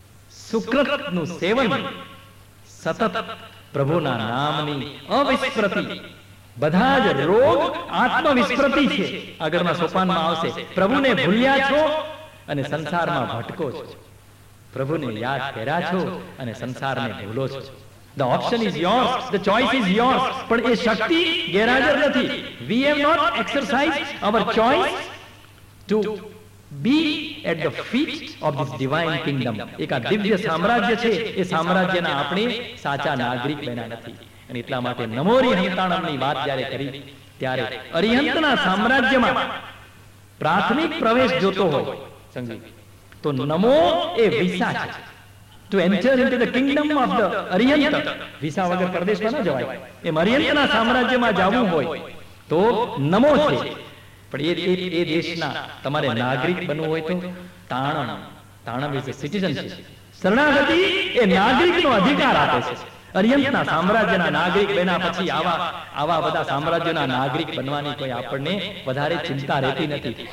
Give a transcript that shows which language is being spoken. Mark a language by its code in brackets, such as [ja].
[gu] સુકૃતનું સેવન, સતત પ્રભુના નામની અવિસ્મૃતિ, બધા જ રોગ આત્મવિસ્મૃતિ છે. આગળના સોપાનમાં આવશે, પ્રભુને ભૂલ્યા છો અને સંસારમાં ભટકો છો, પ્રભુને યાદ કર્યા છો અને સંસારને ભૂલો છો. [en] The option is yours, the choice is yours. [gu] પણ એ શક્તિ ગેરહાજર નથી. [en] We have not exercised our choice to be at the feet of this divine kingdom. [gu] એક આ દિવ્ય સામ્રાજ્ય છે, એ સામ્રાજ્યના આપણે સાચા નાગરિક બન્યા નથી. અને એટલા માટે નમોરી હંતાણમની વાત જ્યારે કરી ત્યારે અરિહંતના સામ્રાજ્યમાં પ્રાથમિક પ્રવેશ જોતો હોય સંગી તો નમો એ વિસા છે. [en] To enter into the kingdom of the Arihanta, [gu] visa વગર પરદેશમાં ન જવાય. એ અરિહંતના સામ્રાજ્યમાં જવું હોય તો નમો છે. પણ એ દેશના તમારે નાગરિક બનવું હોય તો તાણમ, તાણમ એ સિટીઝનશીપ, શરણાગતિ એ નાગરિકનો અધિકાર આપે છે. અરિહંતના સામ્રાજ્યના નાગરિક બન્યા પછી આવા આવા બધા સામ્રાજ્યના નાગરિક બનવાની કોઈ આપણને વધારે ચિંતા રહેતી નથી.